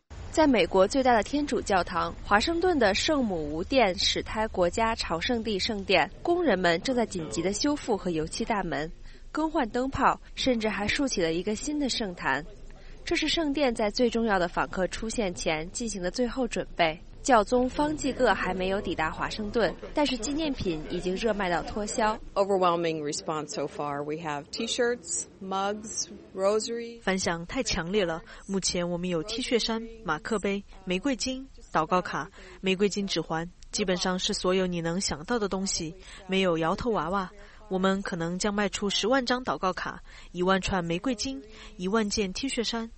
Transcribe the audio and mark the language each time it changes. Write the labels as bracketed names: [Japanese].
[Chinese] 在美国最大的天主教堂华盛顿的圣母无殿始胎国家朝圣地圣殿，工人们正在紧急的修复和油漆大门，更换灯泡，甚至还竖起了一个新的圣坛。这是圣殿在最重要的访客出现前进行的最后准备。教宗方济各还没有抵达华盛顿，但是纪念品已经热卖到脱销。 [English] Overwhelming response so far. We have T-shirts, mugs, rosary. [Chinese] 反响太强烈了。目前我们有 T 恤衫、马克杯、玫瑰金、祷告卡、玫瑰金指环，基本上是所有你能想到的东西。没有摇头娃娃。我们可能将卖出10万张祷告卡、10000串玫瑰金、10000件 T 恤衫。